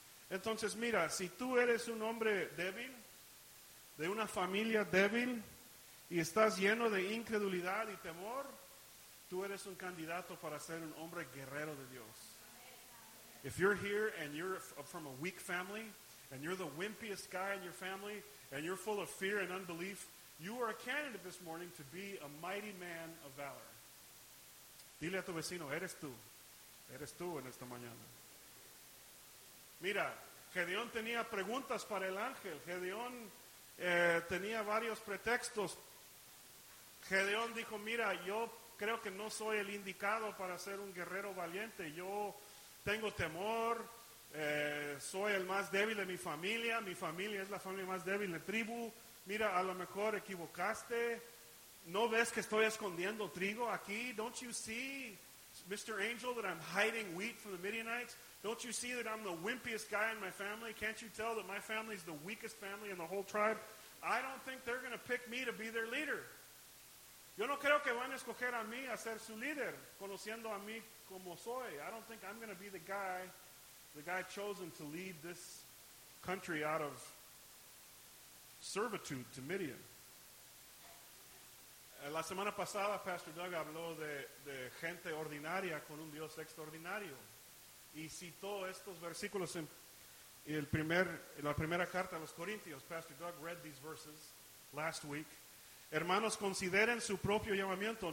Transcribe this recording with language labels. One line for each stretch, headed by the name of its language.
Spanish: Entonces mira, si tú eres un hombre débil, de una familia débil, y estás lleno de incredulidad y temor, tú eres un candidato para ser un hombre guerrero de Dios.
English: If you're here and you're from a weak family, and you're the wimpiest guy in your family, and you're full of fear and unbelief, you are a candidate this morning to be a mighty man of valor.
Spanish: Dile a tu vecino, eres tú. Eres tú en esta mañana. Mira, Gedeón tenía preguntas para el ángel. Gedeón tenía varios pretextos. Gedeón dijo, mira, yo creo que no soy el indicado para ser un guerrero valiente. Yo tengo temor, soy el más débil de mi familia es la familia más débil de tribu. Mira, a lo mejor equivocaste, ¿no ves que estoy escondiendo trigo aquí?
English: Don't you see, Mr. Angel, that I'm hiding wheat from the Midianites? Don't you see that I'm the wimpiest guy in my family? Can't you tell that my family is the weakest family in the whole tribe? I don't think they're going to pick me to be their leader.
Spanish: Yo no creo que van a escoger a mí a ser su líder, conociendo a mí como soy.
English: I don't think I'm going to be the guy chosen to lead this country out of servitude to Midian.
Spanish: La semana pasada, Pastor Doug habló de gente ordinaria con un Dios extraordinario. Y citó estos versículos en la primera carta a los Corintios.
English: Pastor Doug read these verses last week.
Spanish: Hermanos, consideren su propio llamamiento.